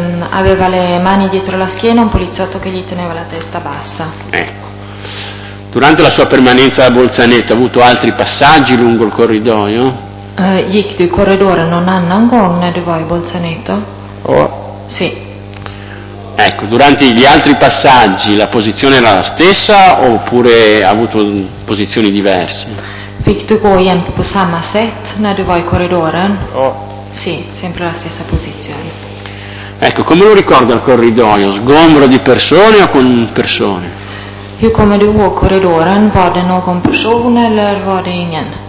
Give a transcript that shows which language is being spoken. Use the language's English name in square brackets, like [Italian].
[Italian] Aveva le mani dietro la schiena, un poliziotto che gli teneva la testa bassa. Ecco. Durante la sua permanenza a Bolzaneto ha avuto altri passaggi lungo il corridoio? [Swedish] Gick du i korridoren en annan gång när du var i Bolzaneto? Oh. [Italian] Sì. Ecco, durante gli altri passaggi la posizione era la stessa oppure ha avuto posizioni diverse? [Swedish] Fick du gå igen på samma sätt när du var i korridoren? Oh. [Italian] Sì, sempre la stessa posizione. Ecco, come lo ricorda il corridoio? Sgombro di persone o con persone? [Swedish] Hur kommer du ihåg korridoren? Var det någon person eller var det ingen?